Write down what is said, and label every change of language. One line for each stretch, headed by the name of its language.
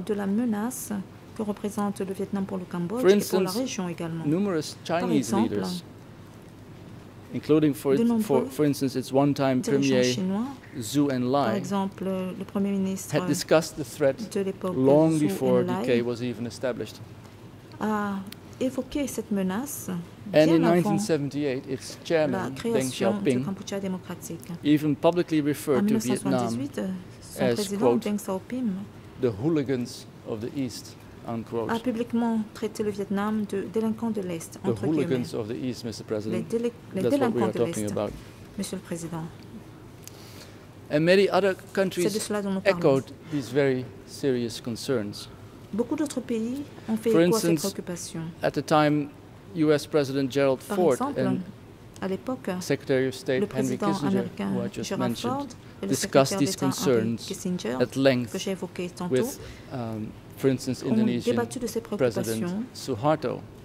English: For instance, numerous Chinese leaders, including, for instance, its one-time premier, Zhou Enlai, had discussed the threat long before DK was even established. And in 1978, its chairman, Deng Xiaoping, even publicly referred to Vietnam as, quote, the hooligans of the East. Unquote.
French: A publiquement traité le Vietnam de délinquants de l'Est, entre guillemets.
English: The hooligans of the East, Mr. President. That's what we are talking about.
French: Monsieur le Président.
English: And many other countries echoed these very serious concerns.
French: Beaucoup d'autres pays ont fait écho à ces préoccupations.
English: At the time, U.S. President Gerald Ford and
French: à l'époque,
English: Secretary of State Henry Kissinger, who I just mentioned, discussed these concerns at length with for instance, Indonesian President Suharto.